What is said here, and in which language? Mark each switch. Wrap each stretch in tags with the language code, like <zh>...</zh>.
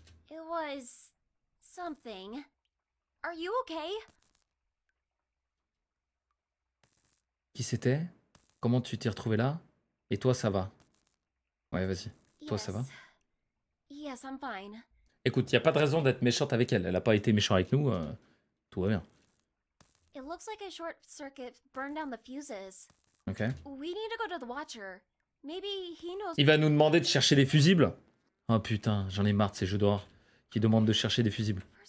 <en>It was something. Are you okay?</en> <fr>Qui c'était? Comment tu t'es retrouvé là? Et toi, ça va? Ouais, vas-y. Toi, ça va?</fr> <en>Yes, I'm fine.</en> <fr>Écoute, y a pas de raison d'être méchante avec elle. Elle a pas été méchante avec nous. Tout va bien.</fr> <en>It looks like a short circuit burned down the fuses. Ok. We need to go to the Watcher. Maybe he knows.</en> <fr>Il va nous demander de chercher des fusibles? Oh putain, j'en ai marre de ces jeux d'horreur qui demandent de chercher des fusibles.</fr>